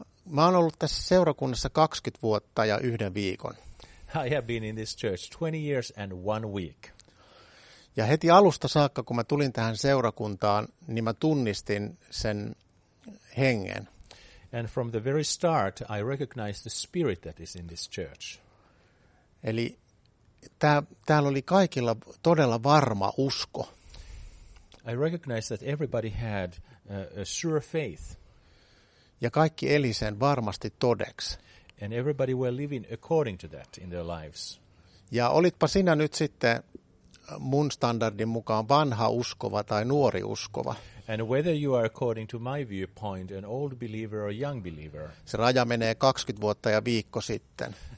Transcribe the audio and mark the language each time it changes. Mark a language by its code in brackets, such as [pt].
[fi] Mä oon ollut tässä seurakunnassa 20 vuotta ja yhden viikon. [en] I have been in this church 20 years and one week. [fi] Ja heti alusta saakka, kun mä tulin tähän seurakuntaan, niin mä tunnistin sen hengen. [en] And from the very start, I recognized the spirit that is in this church. [fi] Eli täällä oli kaikilla todella varma usko. [en] I recognized that everybody had a sure faith. [fi] Ja kaikki eli sen varmasti todeksi. [en] And everybody were living according to that in their lives. [fi] Ja olitpa sinä nyt sitten mun standardin mukaan vanha uskova tai nuori uskova. [en] And whether you are according to my viewpoint an old believer or young believer. [fi] Se raja menee 20 vuotta ja viikko sitten.